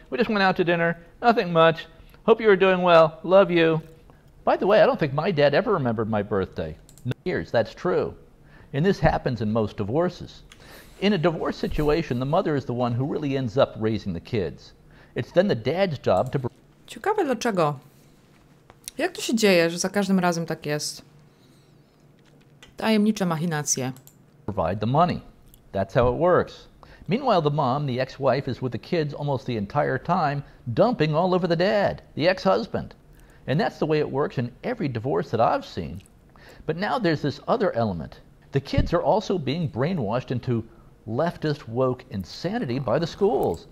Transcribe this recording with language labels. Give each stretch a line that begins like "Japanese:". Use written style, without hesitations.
English: We just went out to dinner. Nothing much. Hope you are doing well. Love you. By the way, I don't think my dad ever remembered my birthday. No years, that's true. And this happens in most divorces. In a divorce situation, the mother is the one who really ends up raising the kids. It's then the dad's job to...
Polish: Ciekawe dlaczego. Jak to się dzieje, że za każdym razem tak jest? Tajemnicze machinacje.
English: Provide the money. That's how it works. Meanwhile, the mom, the ex-wife, is with the kids almost the entire time, dumping all over the dad, the ex-husband. And that's the way it works in every divorce that I've seen. But now there's this other element. The kids are also being brainwashed into leftist woke insanity by the schools.